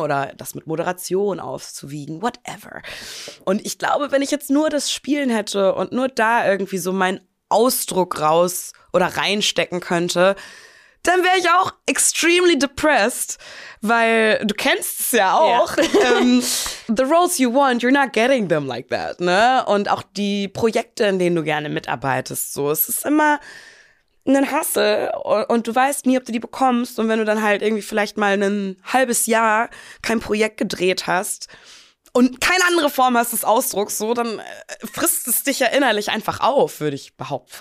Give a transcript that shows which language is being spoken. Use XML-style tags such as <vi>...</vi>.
<de>Oder das mit Moderation aufzuwiegen, whatever. Und ich glaube, wenn ich jetzt nur das Spielen hätte und nur da irgendwie so meinen Ausdruck raus oder reinstecken könnte, dann wäre ich auch</de> <en>extremely depressed,</en> <de>weil du kennst es ja auch.</de> <en>Yeah. The roles you want, you're not getting them like that.</en> <de>Ne? Und auch die Projekte, in denen du gerne mitarbeitest, so, es ist immer einen Hustle und du weißt nie, ob du die bekommst. Und wenn du dann halt irgendwie vielleicht mal ein halbes Jahr kein Projekt gedreht hast und keine andere Form hast des Ausdrucks, so, dann frisst es dich ja innerlich einfach auf, würde ich behaupten.</de>